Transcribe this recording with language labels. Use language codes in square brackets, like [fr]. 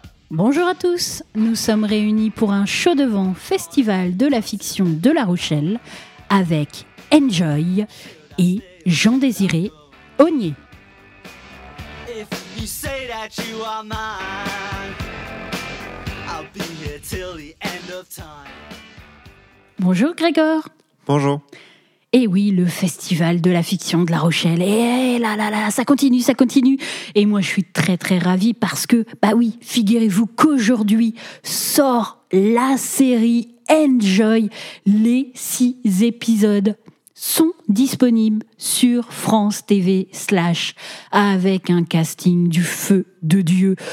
[fr] Bonjour à tous, nous sommes réunis pour un show devant Festival de la Fiction de La Rochelle avec Enjoy et Jean-Désiré Aunier. [en] If you say that you are mine, I'll be here till the end of time. [fr] Bonjour Grégor. Bonjour. Et oui, le Festival de la Fiction de La Rochelle, et là là là, ça continue. Et moi, je suis très très ravie parce que, bah oui, figurez-vous qu'aujourd'hui sort la série Enjoy. Les 6 épisodes sont disponibles sur France TV/, avec un casting du feu de Dieu.